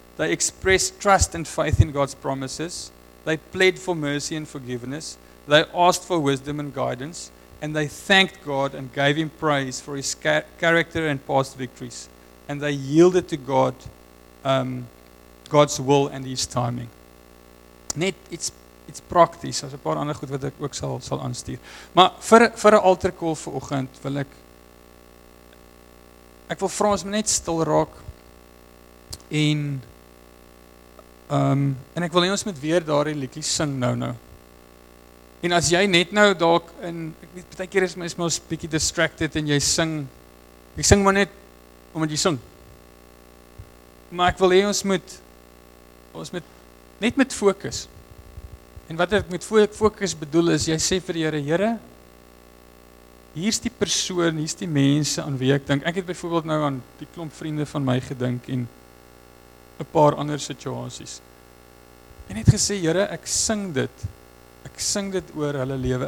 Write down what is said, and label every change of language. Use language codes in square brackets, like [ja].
[en] They expressed trust and faith in God's promises. They pled for mercy and forgiveness. They asked for wisdom and guidance. And they thanked God and gave Him praise for His character and past victories. And they yielded to God, God's will and His timing. [af] Net, it's praktisch, as 'n paar ander goed wat ek ook sal aanstuur. Maar vir 'n altar call vir oggend wil ek wil vra ons moet net stil raak en ek wil hê ons moet weer daardie liedjie sing nou. En as jy net nou dalk in ek weet baie keer is my ons bietjie distracted en jy sing maar net omdat jy sing. Maar ek wil hê ons moet net met fokus. En wat ek met fokus bedoel is, jy sê vir die Here, hier's die persoon, hier's die mense aan wie ek dink. Ek het byvoorbeeld nou aan die klomp vriende van my gedink en 'n paar ander situasies. En het gesê, Here, ek sing dit. Ek sing dit oor hulle lewe.